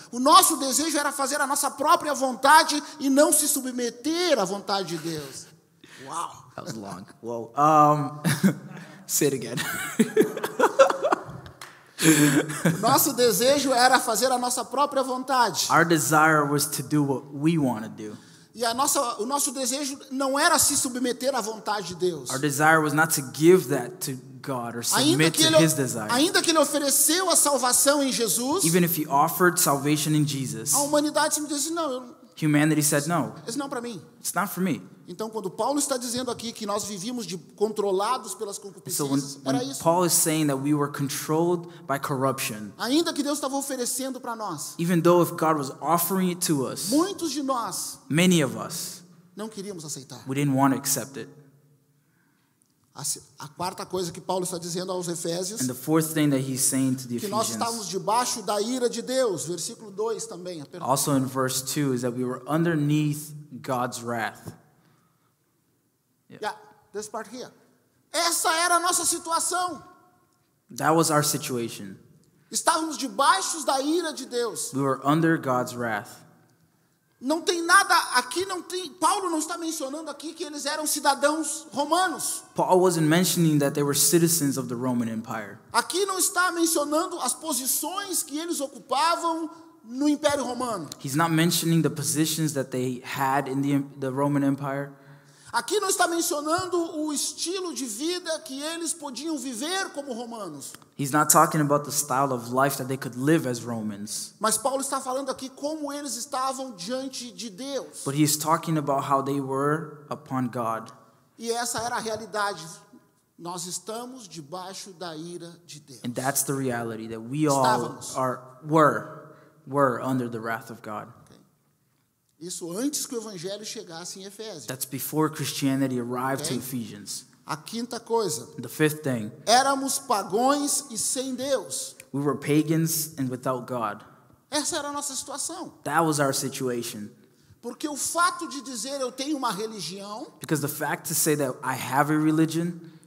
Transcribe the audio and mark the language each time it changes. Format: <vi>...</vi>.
<pt>O nosso desejo era fazer a nossa própria vontade e não se submeter à vontade de Deus.</pt> <en>Wow. That was long. Well, say it again.</en> <pt>Nosso desejo era fazer a nossa própria vontade.</pt> <en>Our desire was to do what we want to do.</en> <pt>E a nossa, o nosso desejo não era se submeter à vontade de Deus.</pt> <en>Our desire was not to give that to God or submit to his desires.</en> <pt>Ainda que ele ofereceu a salvação em Jesus,</pt> <en>even if he offered salvation in Jesus,</en> <pt>a humanidade me disse, não,</pt> <en>humanity said no.</en> <pt>Isso não é para mim.</pt> <en>It's not for me.</en> <pt>Então, quando Paulo está dizendo aqui que nós vivíamos de controlados pelas concupiscências,</pt> <en>so when</en> <pt>era isso.</pt> <en>Paul is saying that we were controlled by corruption.</en> <pt>Ainda que Deus estava oferecendo para nós.</pt> <en>Even though if God was offering it to us.</en> <pt>Muitos de nós.</pt> <en>Many of us.</en> <pt>Não queríamos aceitar.</pt> <en>We didn't want to accept it.</en> <pt>A quarta coisa que Paulo está dizendo aos Efésios.</pt> <en>And the fourth thing that he's saying to the Ephesians.</en> <pt>Que nós estávamos debaixo da ira de Deus. Versículo 2 também.</pt> <en>Also in verse 2 is that we were underneath God's wrath. Yeah, this part here.</en> <pt>Essa era a nossa situação.</pt> <en>That was our situation.</en> <pt>Estávamos debaixo da ira de Deus.</pt> <en>We were under God's wrath.</en> <pt>Não tem nada aqui, não tem. Paulo não está mencionando aqui que eles eram cidadãos romanos.</pt> <en>Paul wasn't mentioning that they were citizens of the Roman Empire.</en> <pt>Aqui não está mencionando as posições que eles ocupavam no Império Romano.</pt> <en>He's not mentioning the positions that they had in the Roman Empire.</en> <pt>Aqui não está mencionando o estilo de vida que eles podiam viver como romanos.</pt> <en>He's not talking about the style of life that they could live as Romans.</en> <pt>Mas Paulo está falando aqui como eles estavam diante de Deus.</pt> <en>But he's talking about how they were upon God.</en> <pt>E essa era a realidade. Nós estamos debaixo da ira de Deus.</pt> <en>And that's the reality that we all were under the wrath of God.</en> <pt>Isso antes que o evangelho chegasse em Efésios.</pt> <en>That's before Christianity arrived to Ephesians.</en> <pt>A quinta coisa.</pt> <en>The fifth thing.</en> <pt>Éramos pagões e sem Deus.</pt> <en>We were pagans and without God.</en> <pt>Essa era a nossa situação.</pt> <en>That was our situation.</en> <pt>Porque o fato de dizer eu tenho uma religião.</pt> <en>Because the fact to say that I have a religion.</en>